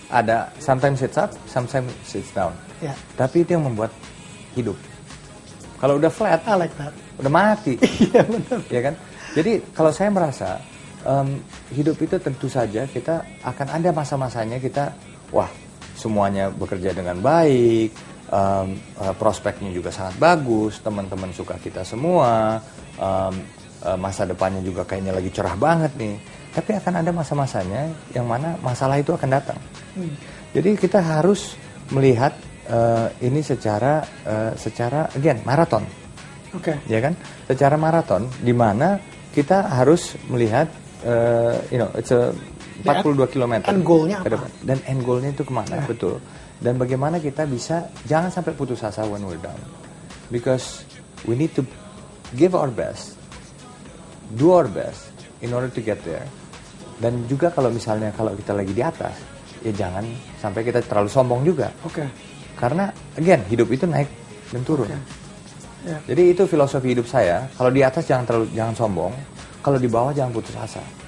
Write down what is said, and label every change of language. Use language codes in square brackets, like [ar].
[en] Ada, sometimes it's up, sometimes it's down. Yeah. [id] Tapi itu yang membuat hidup. Kalau udah flat, [en] I like that. [id] Udah mati. Iya, benar. Ya kan? Jadi kalau saya merasa, hidup itu tentu saja kita akan ada masa-masanya kita, wah, semuanya bekerja dengan baik, prospeknya juga sangat bagus, teman-teman suka kita semua, masa depannya juga kayaknya lagi cerah banget nih. Tapi akan ada masa-masanya yang mana masalah itu akan datang. Jadi kita harus melihat ini secara again maraton. Oke. Okay. Ya kan? Secara maraton di mana kita harus melihat [en] it's a 42 km [id] ke depan. Dan end goal-nya itu kemana? Yeah. Betul. Dan bagaimana kita bisa jangan sampai putus asa [en] when we're down. Because we need to give our best, do our best in order to get there. [id] Dan juga kalau misalnya kalau kita lagi di atas, ya jangan sampai kita terlalu sombong juga. Oke. Okay. Karena again hidup itu naik dan turun. Okay. Yeah. Jadi itu filosofi hidup saya. Kalau di atas jangan sombong. Kalau di bawah jangan putus asa.